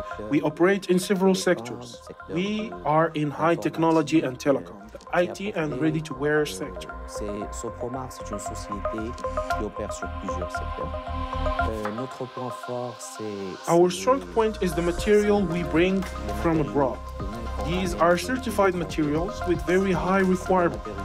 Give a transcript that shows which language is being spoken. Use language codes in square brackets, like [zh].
[en] We operate in several sectors. We are in high technology and telecom, the IT and ready-to-wear sector. [fr] Sopromar, c'est une société qui opère sur plusieurs secteurs. Notre point fort, c'est... [en] Our strong point is the material we bring from abroad. These are certified materials with very high requirements.